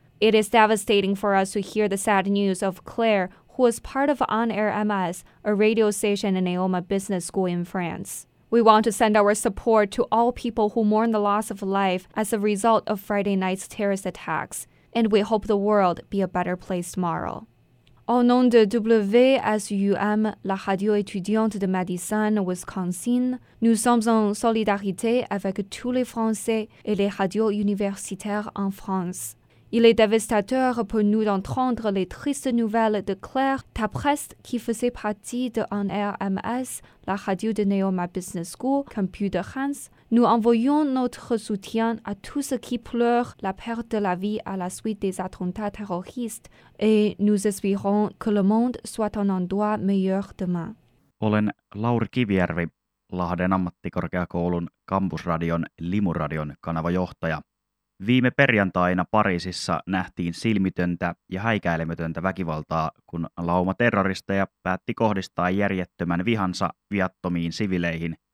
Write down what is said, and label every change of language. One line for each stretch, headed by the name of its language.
English: It is devastating for us to hear the sad news of Claire, who was part of On Air MS, a radio station in Neoma Business School in France. We want to send our support to all people who mourn the loss of life as a result of Friday night's terrorist attacks, and we hope the world be a better place tomorrow.
French: Au nom de WSUM, la radio étudiante de Madison, Wisconsin, nous sommes en solidarité avec tous les Français et les radios universitaires en France. Il est dévastateur pour nous d'entendre les tristes nouvelles de Claire Tapreste, qui faisait partie de NRMS, la radio de Neoma Business School, Computer Hans. Nous envoyons notre soutien à tous ceux qui pleurent la perte de la vie à la suite des attentats terroristes et nous espérons que le monde soit un endroit meilleur demain.
Finnish: Olen Lauri Kivijärvi, Lahden ammattikorkeakoulun campusradion Limuradion kanavajohtaja. Viime perjantaina Pariisissa nähtiin silmitöntä ja häikäilemätöntä väkivaltaa, kun lauma terroristeja päätti kohdistaa järjettömän vihansa viattomiin siviileihin